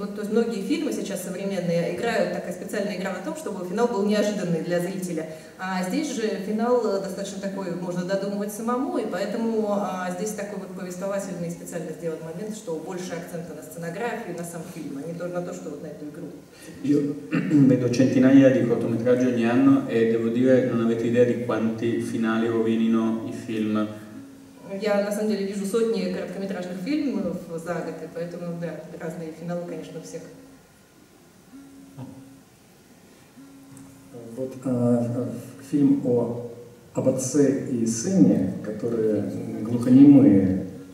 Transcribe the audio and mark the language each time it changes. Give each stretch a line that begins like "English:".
Russian: Многие фильмы сейчас современные играют, такая специальная игра на том, чтобы финал был неожиданный для зрителя. А здесь же финал достаточно такой, можно додумывать самому, и поэтому здесь такой вот повествовательный специально сделан момент, что больше акцента на сценографию, на сам фильм, а не только на то, что вот на эту игру.
Italian: Io vedo centinaia di cortometraggi ogni anno e devo dire, non avete idea di quanti finali rovinino i film.
Russian: Я на самом деле вижу сотни короткометражных фильмов за год, и поэтому да, разные финалы, конечно, у всех. Вот фильм об отце и сыне, которые глухонемые.